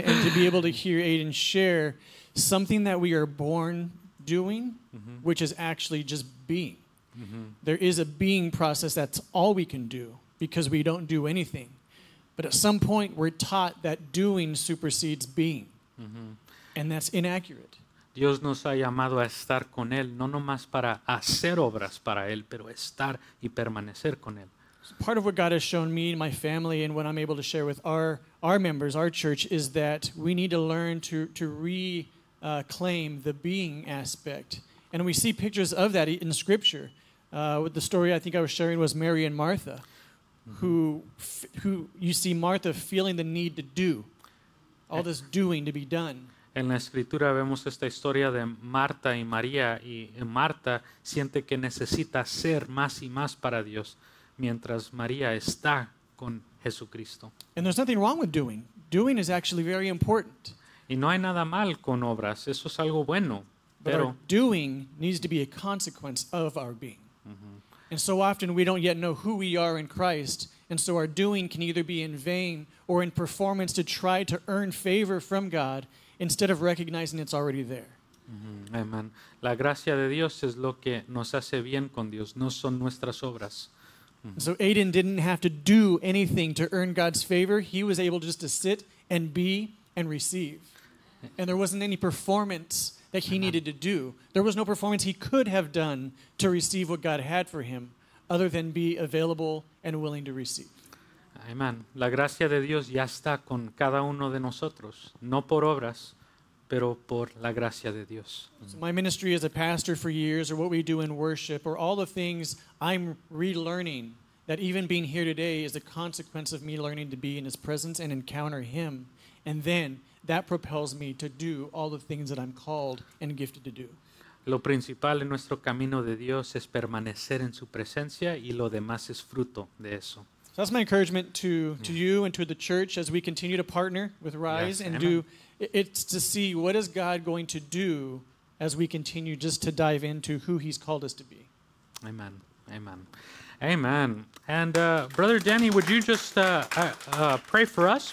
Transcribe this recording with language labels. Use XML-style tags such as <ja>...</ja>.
<en>And to be able to hear Aiden share something that we are born doing, mm-hmm. which is actually just being. Mm-hmm. There is a being process. That's all we can do because we don't do anything. But at some point, we're taught that doing supersedes being, mm-hmm. and that's inaccurate.</en> <es>Dios nos ha llamado a estar con Él, no nomás para hacer obras para Él, pero estar y permanecer con Él.</es> <en>Part of what God has shown me and my family and what I'm able to share with our members, our church, is that we need to learn to reclaim the being aspect. And we see pictures of that in Scripture. With the story I think I was sharing was Mary and Martha, mm-hmm. who you see Martha feeling the need to do, all this doing to be done.</en> <es>En la Escritura vemos esta historia de Marta y María, y Marta siente que necesita ser más y más para Dios mientras María está con Jesucristo.</es> <en>And there's nothing wrong with doing. Doing is actually very important.</en> <es>Y no hay nada mal con obras. Eso es algo bueno.</es> <en>But our doing needs to be a consequence of our being. Mm-hmm. And so often we don't yet know who we are in Christ, and so our doing can either be in vain or in performance to try to earn favor from God instead of recognizing it's already there. Mm-hmm. Amen.</en> <es>La gracia de Dios es lo que nos hace bien con Dios, no son nuestras obras.</es> <en>So Aiden didn't have to do anything to earn God's favor. He was able just to sit and be and receive. And there wasn't any performance that he needed to do. There was no performance he could have done to receive what God had for him other than be available and willing to receive. Amen.</en> <es>La gracia de Dios ya está con cada uno de nosotros, no por obras, pero por la gracia de Dios.</es> <en>So my ministry as a pastor for years, or what we do in worship, or all the things I'm relearning, that even being here today is a consequence of me learning to be in His presence and encounter Him. And then that propels me to do all the things that I'm called and gifted to do.</en> <es>Lo principal en nuestro camino de Dios es permanecer en su presencia, y lo demás es fruto de eso.</es> <en>So that's my encouragement to you and to the church as we continue to partner with Rise. Yes, and amen. It's to see what is God going to do as we continue just to dive into who He's called us to be. Amen. Amen. Amen. And Brother Danny, would you just pray for us?</en>